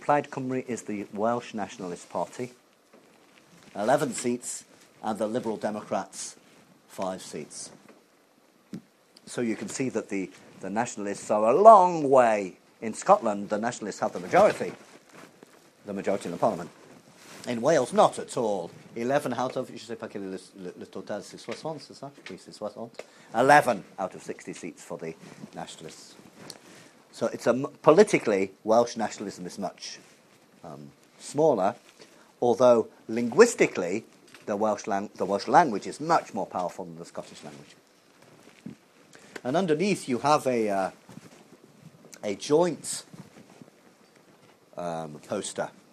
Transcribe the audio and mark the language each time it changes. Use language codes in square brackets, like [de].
[en] Plaid Cymru is the Welsh Nationalist Party. 11 seats. And the Liberal Democrats, 5 seats. So you can see that the Nationalists are a long way. In Scotland, the Nationalists have the majority in the Parliament. In Wales, not at all. 11 out of, [fr] je sais pas quelle est le total, c'est 60, c'est ça? Oui, c'est 60. [en] 11 out of 60 seats for the nationalists. So it's a politically, Welsh nationalism is much smaller, although linguistically, the Welsh language is much more powerful than the Scottish language. And underneath you have a joint poster.